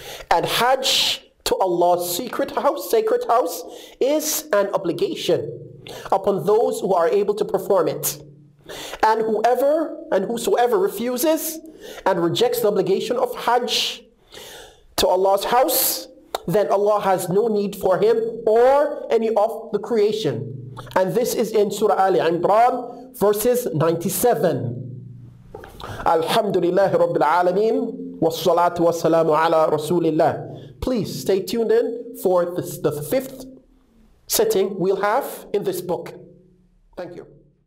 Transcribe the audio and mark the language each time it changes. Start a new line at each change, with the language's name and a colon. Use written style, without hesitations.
English: And Hajj to Allah's sacred house is an obligation upon those who are able to perform it, and whosoever refuses and rejects the obligation of Hajj to Allah's house, then Allah has no need for him or any of the creation. And this is in Surah Ali Imran, verses 97.
Arabic: الحمد لله رب العالمين والصلاة والسلام على رسول الله.
English: Please stay tuned in for the fifth sitting we'll have in this book. Thank you.